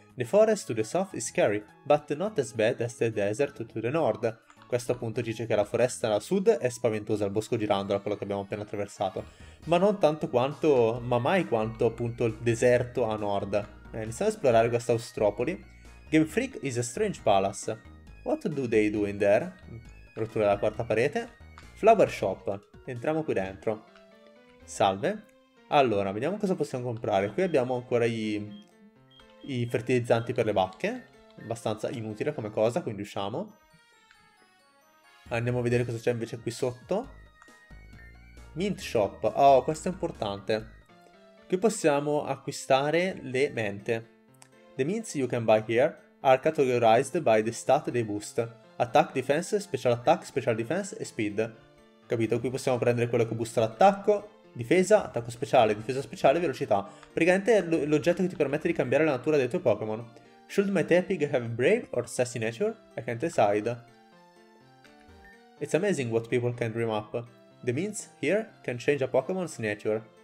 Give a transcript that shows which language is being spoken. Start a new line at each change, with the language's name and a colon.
English: The forest to the south is scary, but not as bad as the desert to the north.
Italian: Questo appunto dice che la foresta al sud è spaventosa, il bosco girandola, quello che abbiamo appena attraversato. Ma non tanto quanto, ma mai quanto appunto il deserto a nord. Iniziamo a esplorare questa austropoli.
English: Game Freak is a strange palace. What do they do in there?
Italian: Rottura della quarta parete. Flower shop. Entriamo qui dentro. Salve. Allora, vediamo cosa possiamo comprare. Qui abbiamo ancora i fertilizzanti per le bacche. Abbastanza inutile come cosa, quindi usciamo. Andiamo a vedere cosa c'è invece qui sotto. Mint shop. Oh, questo è importante. Qui possiamo acquistare le mente.
English: The mints you can buy here are categorized by the stat they boost. Attack, defense, special attack, special defense e speed.
Italian: Capito? Qui possiamo prendere quello che boosta l'attacco, difesa, attacco speciale, difesa speciale, velocità. Praticamente è l'oggetto che ti permette di cambiare la natura dei tuoi Pokémon.
English: Should my Tepig have brave or sassy nature? I can't decide. It's amazing what people can dream up. The means here can change a Pokémon's nature.